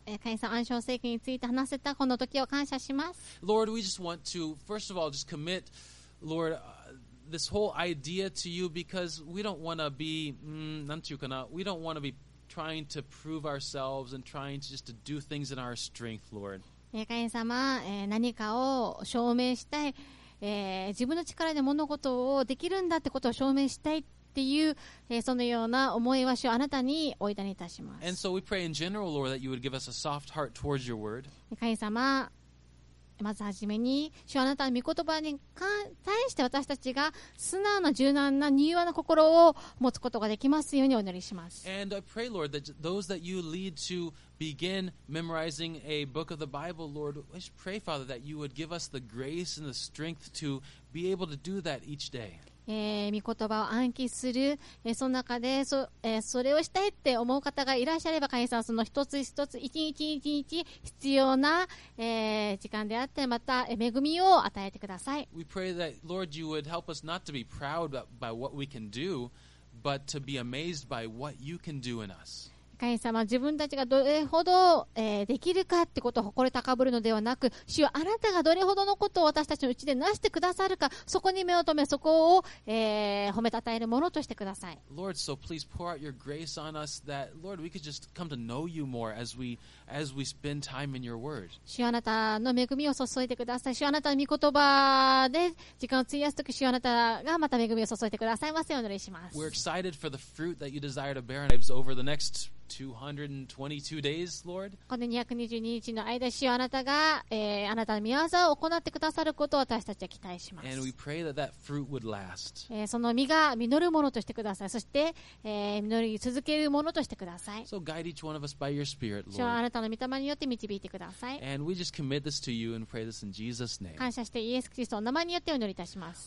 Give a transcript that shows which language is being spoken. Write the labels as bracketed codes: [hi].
[en] Lord, we just want to, first of all, just commit, Lord, this whole idea to you because we don't want to be, we don't want to be trying to prove ourselves and trying to just to do things in our strength, Lord. [ja] 神様、何かを証明したい、自分の力で物事をできるんだってことを証明したいっていう、そのような思いはしをあなたにおいだにいたします。 [en] And so we pray in general, Lord, that you would give us a soft heart towards your word. [ja] 神様、まずはじめに主あなたの御言葉に対して私たちが素直な柔軟な柔和な心を持つことができますようにお祈りします。 [en] And I pray Lord that those that you lead to begin memorizing a book of the Bible Lord I pray Father that you would give us the grace and the strength to be able to do that each day [ja] 御言葉を暗記する、その中で それをしたいって思う方がいらっしゃれば神様その一つ一つ一日一日必要な、時間であってまた恵みを与えてください。 [en] We pray that Lord you would help us not to be proud by what we can do but to be amazed by what you can do in us。 [ja] 神様自分たちがどれほど、できるかってことを誇り高ぶるのではなく主はあなたがどれほどのことを私たちのうちでなしてくださるかそこに目を留めそこを、褒めたたえるものとしてください。 [en] Lord, so please pour out your grace on us that Lord, we could just come to know you more as we spend time in your word. [ja] 主あなたの恵みを注いでください。 主あなたの御言葉で時間を費やすとき主あなたがまた恵みを注いでくださいませ。お祈りします。 [en] We're excited for the fruit that you desire to bear in our lives over the next 222 days, Lord. [ja] この222日の間主あなたが、あなたの御業を行ってくださることを私たちは期待します。 [en] And we pray that that fruit would last. [ja] その実が実るものとしてください。そして、実り続けるものとしてください。 [en] So guide each one of us by your spirit, Lord. [ja] あなたの御霊によって導いてください。 [en] And we just commit this to you and pray this in Jesus' name. [ja] 感謝してイエス・キリストの名前によってお祈りいたします。